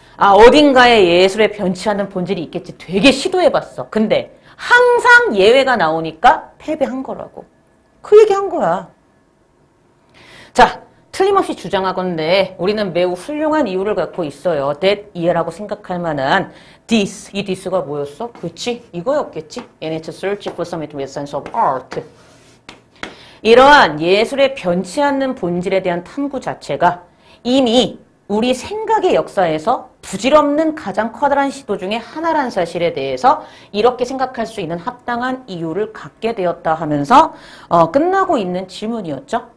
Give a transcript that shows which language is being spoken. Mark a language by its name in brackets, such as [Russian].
[Korean] 어딘가에 예술의 변치 않는 본질이 있겠지. 되게 시도해봤어. 근데 항상 예외가 나오니까 패배한 거라고. 그 얘기한 거야. 자, 틀림없이 주장하건대 우리는 매우 훌륭한 이유를 갖고 있어요. That 이해라고 생각할 만한 this. 이 this가 뭐였어? 그치? 이거였겠지? [English] And it's a search for some essence of art. [Korean] 이러한 예술의 변치 않는 본질에 대한 탐구 자체가 이미 우리 생각의 역사에서 부질없는 가장 커다란 시도 중에 하나란 사실에 대해서 이렇게 생각할 수 있는 합당한 이유를 갖게 되었다 하면서 끝나고 있는 질문이었죠.